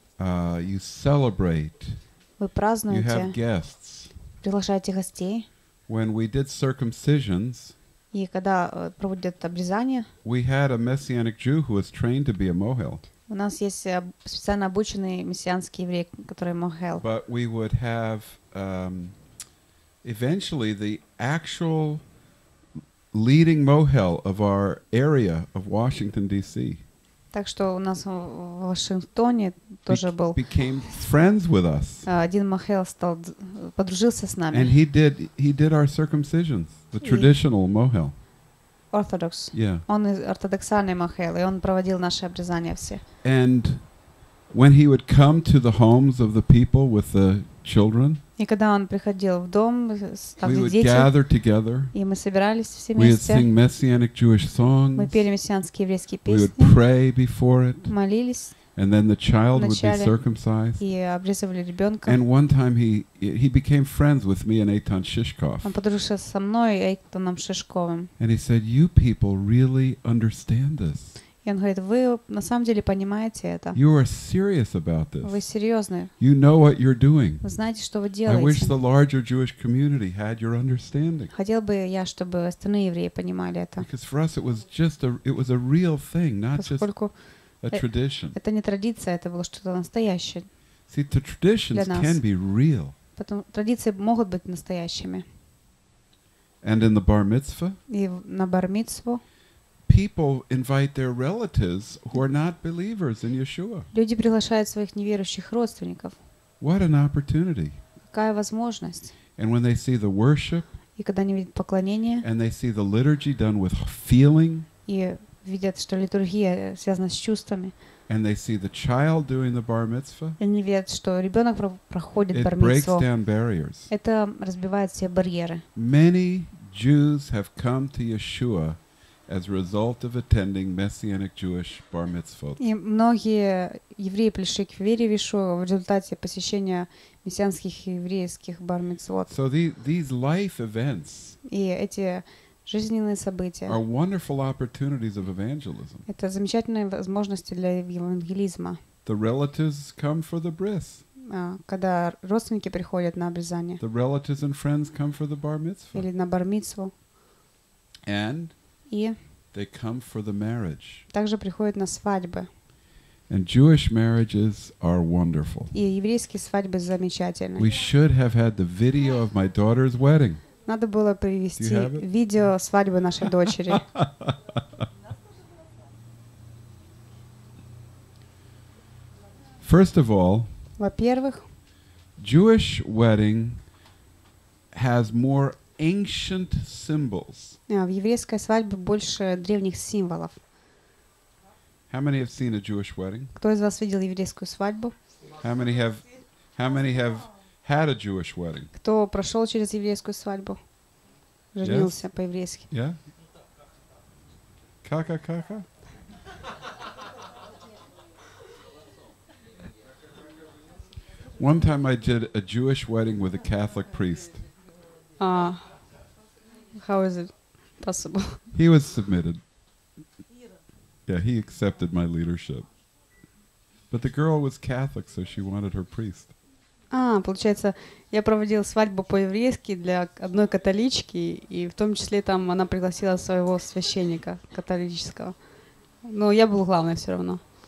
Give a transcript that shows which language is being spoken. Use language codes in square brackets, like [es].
[en] You celebrate. [ru] Вы празднуете. [en] You have guests. [ru] Приглашаете гостей. [en] When we did circumcisions, [ru] и когда проводят обрезание, [en] we had a messianic Jew who was trained to be a mohel. [ru] У нас есть специально обученный мессианский еврей, который мохел. [en] But we would have eventually the actual leading mohel of our area of Washington D.C. [ru] Так что у нас в Вашингтоне тоже был. [en] Became friends with us. [ru] Один мохел стал подружился с нами. [en] And he did our circumcisions, the traditional mohel. Orthodox. Yeah. [ru] Он ортодоксальный мохел, и он проводил наши обрезания все. [en] And when he would come to the homes of the people with the children. [ru] И когда он приходил в дом, там где дети, и мы собирались все вместе, [en] songs, [ru] мы пели мессианские еврейские песни, [en] we would pray before it, [ru] молились, [en] and then the child would be circumcised. [ru] И обрезывали ребенка. [en] And one time he became friends with me and Eitan Shishkov. [ru] Он подружился со мной и Эйтаном Шишковым. [en] And he said, "You people really understand this." [ru] И он говорит, вы на самом деле понимаете это. [en] You are serious about this. [ru] Вы серьезны. [en] You know what you're doing. [ru] Вы знаете, что вы делаете. [en] I wish the larger Jewish community had your understanding. [ru] Хотел бы я, чтобы остальные евреи понимали это. [en] Because for us it was just it was a real thing, not [ru] Поскольку [en] just a tradition. [ru] Это не традиция, это было что-то настоящее. [en] See, the traditions can be real. [ru] Потом традиции могут быть настоящими. [en] And in the bar mitzvah? [ru] И на бар мицву. [en] People invite their relatives who are not believers in Yeshua. [ru] Люди приглашают своих неверующих родственников. [en] What an opportunity! [ru] Какая возможность! [en] And when they see the worship, [ru] и когда они видят поклонение, [en] and they see the liturgy done with feeling, [ru] и видят, что литургия связана с чувствами, [en] and they see the child doing the bar mitzvah, [ru] и они видят, что ребенок проходит [en] бар-митцву, it breaks down barriers. [ru] Это разбивает все барьеры. [en] Many Jews have come to Yeshua as a result of attending messianic Jewish bar mitzvot. [ru] И многие евреи пришли к вере в Ишуа в результате посещения мессианских еврейских бар мицвот. [en] So these life events. [ru] И эти жизненные события. [en] Are wonderful opportunities of evangelism. [ru] Это замечательные возможности для евангелизма. [en] The relatives come for the bris. [ru] Когда родственники приходят на обрезание. [en] The relatives and friends come for the bar mitzvot. [ru] Или на бар мицву. [en] And they come for the marriage. [ru] Также приходят на свадьбы. [en] And Jewish marriages are wonderful. [ru] И еврейские свадьбы замечательные. [en] We should have had the video of my daughter's wedding. [ru] Надо было привести видео свадьбы нашей дочери. [en] First of all, [ru] во-первых, [en] Jewish wedding has more ancient symbols. [ru] В еврейской свадьбе больше древних символов. [en] How many have seen a Jewish wedding? [ru] Кто из вас видел еврейскую свадьбу? [en] How many have had a Jewish wedding? [ru] Кто прошел через еврейскую свадьбу? Женился по-еврейски. Yeah. Ка-ка-ка-ка. [en] One time I did a Jewish wedding with a Catholic priest. How is it possible? He was submitted. Yeah, he accepted my leadership. But the girl was Catholic, so she wanted her priest. [ru] Получается, я проводил свадьбу по-еврейски для одной католички, и в том числе там она пригласила своего священника католического. Но я был главный все равно.